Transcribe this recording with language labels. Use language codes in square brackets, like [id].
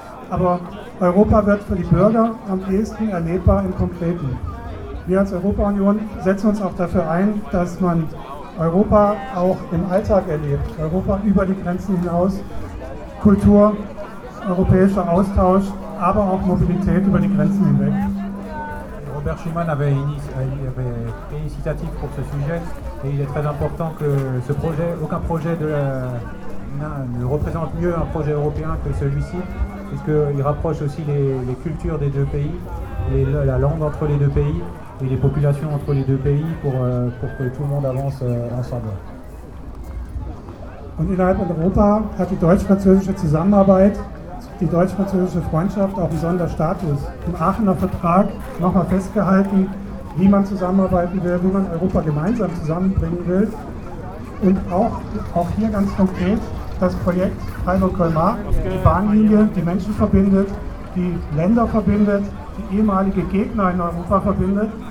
[de] Aber Europa wird für die Bürger am ehesten erlebbar im Konkreten. Wir als Europa Union setzen uns auch dafür ein, dass man Europa auch im Alltag erlebt. Europa über die Grenzen hinaus, Kultur, europäischer Austausch, aber auch Mobilität über die Grenzen hinweg. [fr] Robert Schumann avait une initiative pour ce sujet et il est très important que ce projet, aucun projet ne représente mieux un projet européen que celui-ci, puisqu'il rapproche aussi les cultures des deux pays, la langue entre les deux pays et les populations entre les deux pays pour que tout le monde avance ensemble. [de] Und innerhalb in Europa hat die deutsch-französische Zusammenarbeit, die deutsch-französische Freundschaft auch einen Sonderstatus. Im Aachener Vertrag nochmal festgehalten, wie man zusammenarbeiten will, wie man Europa gemeinsam zusammenbringen will. Und auch hier ganz konkret das Projekt Freiburg-Colmar, die Bahnlinie, die Menschen verbindet, die Länder verbindet, die ehemalige Gegner in Europa verbindet.